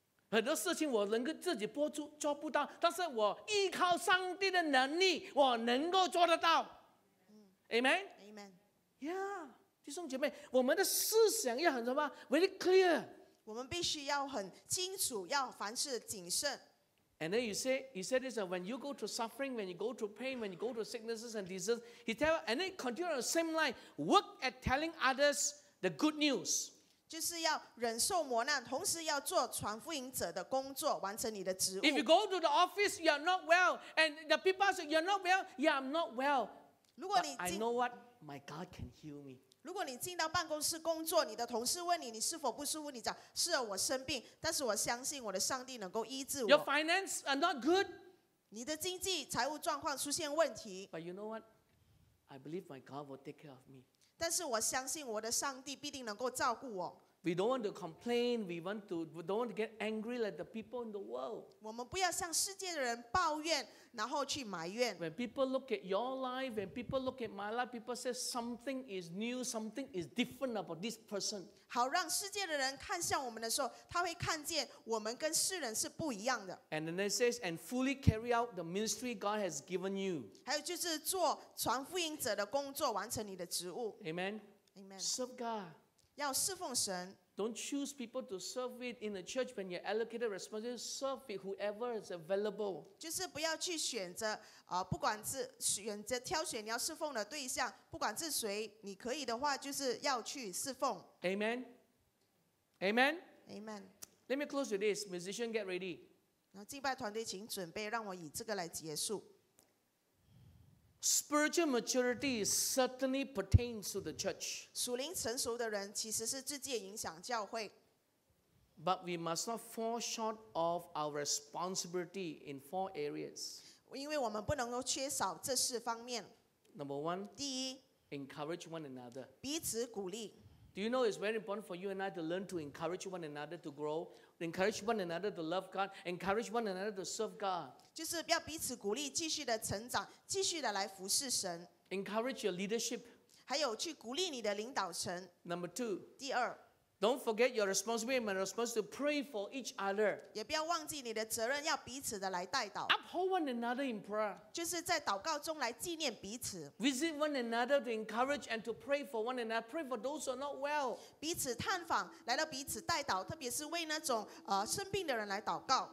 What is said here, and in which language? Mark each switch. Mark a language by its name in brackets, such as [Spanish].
[Chinese] 很多事情我能够自己做不到，但是我依靠上帝的能力，我能够做得到。 [English] Amen. Amen. [Chinese] Yeah, 弟兄姐妹，我们的思想要很什么 ？ [English] Very clear. [Chinese] 我们必须要很清楚，要凡事谨慎。 [English] And then he said this, when you go to suffering, when you go to pain, when you go to sicknesses and diseases, he tell, and then continue on the same line, work at telling others the good news. [Chinese] 就是要忍受磨难，同时要做传福音者的工作，完成你的职务。 [English] If you go to the office, you are not well, and the people say you are not well. Yeah, I'm not well. [Chinese] 如果你 [English] I know what my God can heal me. [Chinese] 如果你进到办公室工作，你的同事问你，你是否不舒服？你讲是啊，我生病，但是我相信我的上帝能够医治我。 [English] Your finance are not good. [Chinese] 你的经济财务状况出现问题。 [English] But you know what? I believe my God will take care of me. [Chinese] 但是我相信我的上帝必定能够照顾我。 [English] We don't want to complain. We don't want to get angry like the people in the world. [Chinese] 我们不要向世界的人抱怨，然后去埋怨。 [English] When people look at your life, when people look at my life, people say something is new, something is different about this person. [Chinese] 好，让世界的人看向我们的时候，他会看见我们跟世人是不一样的。 [English] And then it says, and fully carry out the ministry God has given you. [Chinese] 还有就是做传福音者的工作，完成你的职务。 [English] Amen. Amen. Serve God. [Chinese] 要侍奉神。 [English] Don't choose people to serve with in the church when you're allocated responsibility. Serve with whoever is available. [Chinese] 就是不要去选择，不管是选择挑选你要侍奉的对象，不管是谁，你可以的话，就是要去侍奉。 [English] Amen. Amen. Amen. Let me close with this. Musician, get ready. [Chinese] 然后敬拜团队请准备，让我以这个来结束。 [English] Spiritual maturity certainly pertains to the church. [Chinese] 属灵成熟的人其实是直接影响教会。 [English] But we must not fall short of our responsibility in four areas. [Chinese] 因为我们不能够缺少这四方面。 [English] Number one, [Chinese] 第一 [English] encourage one another. [Chinese] 彼此鼓励。 [English] Do you know it's very important for you and I to learn to encourage one another to grow, encourage one another to love God, encourage one another to serve God. [Chinese] 就是要彼此鼓励，继续的成长，继续的来服侍神。 [English] Encourage your leadership. [Chinese] 还有去鼓励你的领导层。 [English] Number two. [Chinese] 第二。 [English] Don't forget your responsibility and responsibility to pray for each other. [Chinese] 也不要忘记你的责任，要彼此的来代祷。 [English] Uphold one another in prayer. [Chinese] 就是在祷告中来纪念彼此。 [English] Visit one another to encourage and to pray for one another. Pray for those who are not well. [Chinese] 彼此探访，来到彼此代祷，特别是为那种生病的人来祷告。